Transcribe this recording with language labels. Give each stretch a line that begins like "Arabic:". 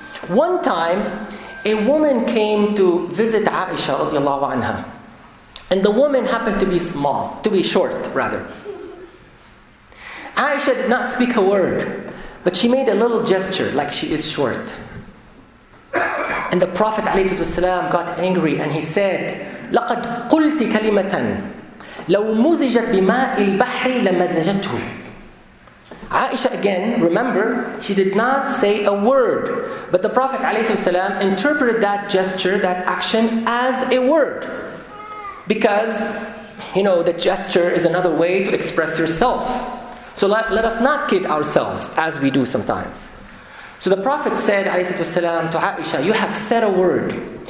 English: One time, a woman came to visit Aisha radiallahu anha. And the woman happened to be small, to be short rather. Aisha did not speak a word, but she made a little gesture like she is short. And the Prophet ﷺ got angry and he said,
Arabic: لَقَدْ قُلْتِ كَلِمَةً لَوْ مُزِجَتْ بِمَاءِ الْبَحْرِ لَمَزَجَتْهُ.
English: Aisha again, remember, she did not say a word. But the Prophet ﷺ interpreted that gesture, that action, as a word. Because, you know, the gesture is another way to express yourself. So let us not kid ourselves, as we do sometimes. So the Prophet said, ﷺ, to Aisha, you have said a word.